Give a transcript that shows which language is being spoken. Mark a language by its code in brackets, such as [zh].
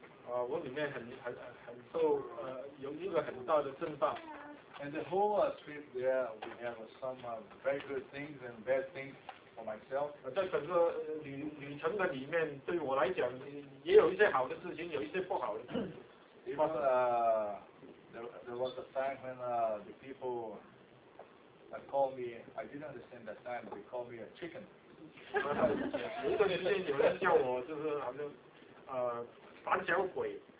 [zh] 我里面很受有一个很大的震荡。 [en] And the whole trip there, we have some very good things and bad things for myself. [zh] 在整个旅程的里面，对我来讲也有一些好的事情，有一些不好的。 [en] Even there was a time when the people that called me, I didn't understand that time, they called me a chicken. [zh] 有一段时间有人叫我就是好像胆小鬼。